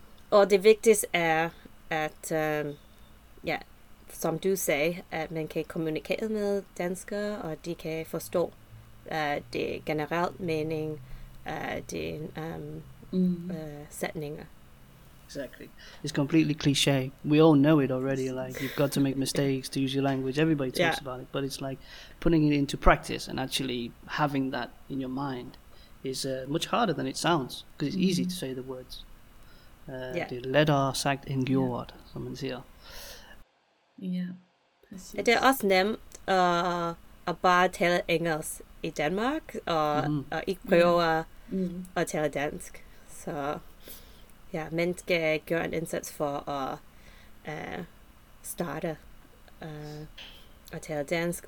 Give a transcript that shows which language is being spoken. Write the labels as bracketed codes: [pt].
[da] Og det vigtigste er, at som du sagde, at man kan kommunikere med danskere, og de kan forstå det generelt mening af dine sætninger. [en] Exactly. It's completely cliché. We all know it already, like, you've got to make mistakes to use your language. Everybody talks about it, but it's like putting it into practice and actually having that in your mind is much harder than it sounds, because it's easy to say the words. [da] Det er lettere sagt end gjort, som man siger. Ja, præcis. Det er også nemt at bare tale engelsk i Danmark, og ikke prøve at tale dansk. Så ja, man skal gøre en indsats for at starte at tale dansk.